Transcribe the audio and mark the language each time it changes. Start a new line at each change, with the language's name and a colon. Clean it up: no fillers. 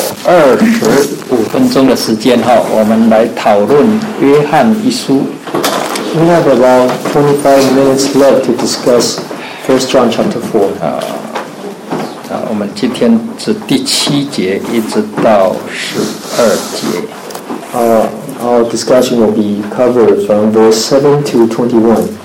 Chinese: 25分钟的时间哈，我们来讨论约翰一书。
English: We have about 25 minutes left to discuss 1 John chapter 4.
Chinese: 我们今天是第七节一直到12节。
English: Our discussion will be covered from verse 7 to 21.